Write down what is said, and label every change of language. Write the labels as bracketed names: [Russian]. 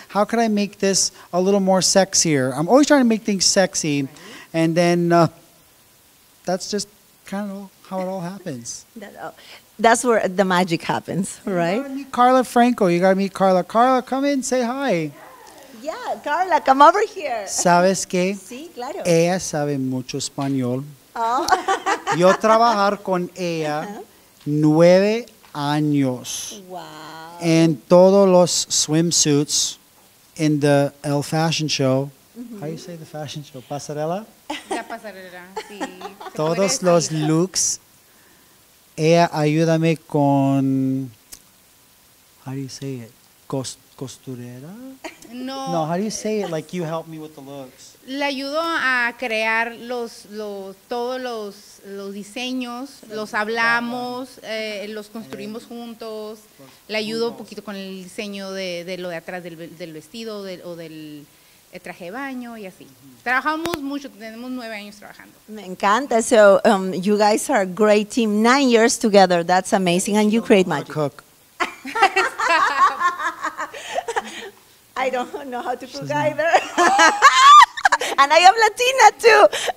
[English] How can I make this a little more sexier? I'm always trying to make things sexy. Right. And then that's just kind of how it all happens. That's where the magic happens, right? You got to meet Carla Franco. You got to meet Carla. Carla, come in. Say hi. Yeah, Carla, come over here. [Spanish] ¿Sabes qué? Sí, claro. Ella sabe mucho español. Oh. Yo trabajar con ella 9 años. Wow. En todos los [English] swimsuits in the Elle Fashion Show. Mm-hmm. How do you say the fashion show? [Spanish] Pasarela? La pasarela, sí. Todos los looks. Ella, ayúdame con, [English] how do you say it? [Spanish] Costurera? No. [English] No, how do you say it? Like you help me with the looks. [Spanish] Le ayudo a crear todos los diseños, los hablamos, los construimos juntos. Le ayudo un poquito con el diseño de lo de atrás del vestido o del traje de baño y así. Trabajamos mucho, tenemos 9 años trabajando. Me encanta. [English] So, you guys are a great team. 9 years together, that's amazing. And you create magic. Cook. I don't know how to cook either. And I am Latina too.